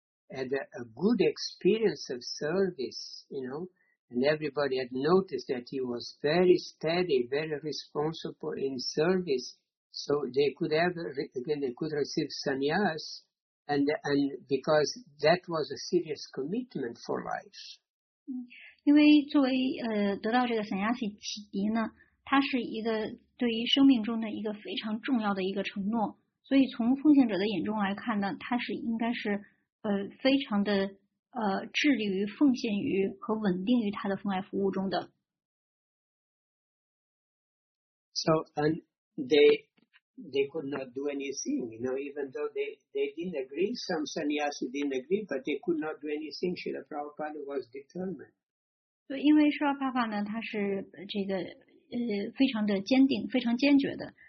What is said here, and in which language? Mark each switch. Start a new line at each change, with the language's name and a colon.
English: Had a good experience of service, you know, and everybody had noticed that he was very steady, very responsible in service. So they could have, again, they could receive sannyas, and because that was a serious commitment for life.
Chinese: 因为作为得到这个 sannyasi 启迪呢，它是一个对于生命中的一个非常重要的一个承诺。所以从奉献者的眼中来看呢，它是应该是。非常的致力于奉献于和稳定于他的奉爱服务中的。
English: So and they could not do anything, you know, even though they didn't agree, some sannyasi didn't agree, but they could not do anything. Srila Prabhupada was determined.
Chinese: 对，因为Srila Prabhupada呢，他是这个非常的坚定，非常坚决的，